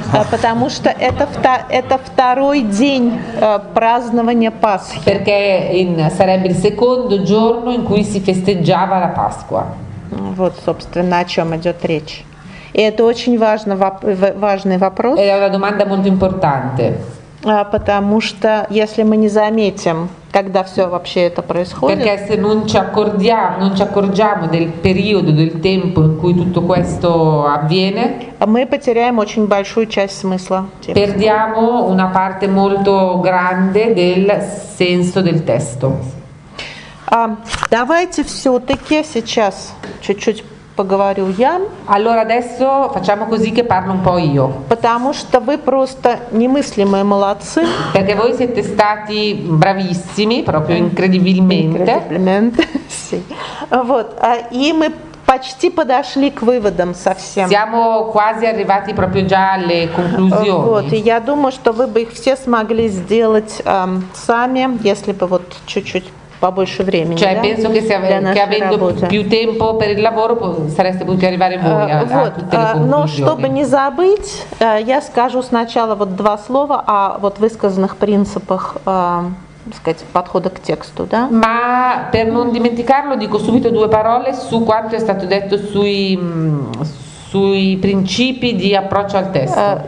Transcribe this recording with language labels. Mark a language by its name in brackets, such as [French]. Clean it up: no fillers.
[Russian] Потому что это второй день празднования Пасхи. [Italian] Perché sarebbe il secondo giorno in cui si festeggiava la Pasqua. [Russian] Вот, собственно, о чем идет речь. И это очень важный вопрос. [Italian] È una domanda molto importante. [Russian] Потому что если мы не заметим, когда все вообще это происходит, [Italian] perché se non ci accorgiamo del periodo, del tempo in cui tutto questo avviene, [Russian] мы потеряем очень большую часть смысла. [Italian] Perdiamo una parte molto grande del senso del testo. [Russian] Давайте все-таки сейчас чуть-чуть поговорю я. [Italian] Allora adesso facciamo così che parlo un po' io. [Russian] Потому что вы просто немыслимые молодцы. [Italian] Perché voi siete stati bravissimi, proprio incredibilmente. Incredibilmente, sì. [Russian] Вот, и мы почти подошли к выводам совсем. [Italian] Siamo quasi arrivati proprio già alle conclusioni. [Russian] Вот, и я думаю, что вы бы их все смогли сделать сами, если бы вот чуть-чуть побольше времени. [Italian] Cioè, penso che avendo più tempo per il lavoro sareste potuti arrivare voi a tutte le conclusioni. [Russian] Но чтобы не забыть, я скажу сначала вот два слова о вот высказанных принципах, сказать, подхода к тексту, да? [Italian] Ma per non dimenticarlo dico subito due parole su quanto è stato detto sui principi di approccio al testo.